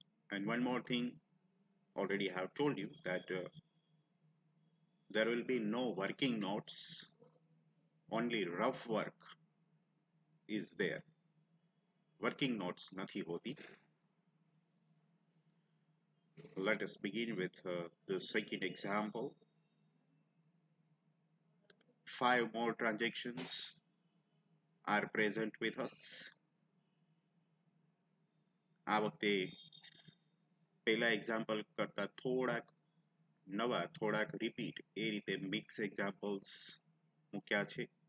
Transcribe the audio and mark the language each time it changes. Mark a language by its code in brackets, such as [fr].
[en] And one more thing, already have told you that there will be no working notes, only rough work is there. [gu] Working notes નથી હોતી. [en] Let us begin with the second example. Five more transactions are present with us. [gu] આ વખતે પહેલા example કરતા થોડાક નવા, થોડાક repeat એ રીતે મિક્સ એક્ઝામ્પલ્સ મૂક્યા છે.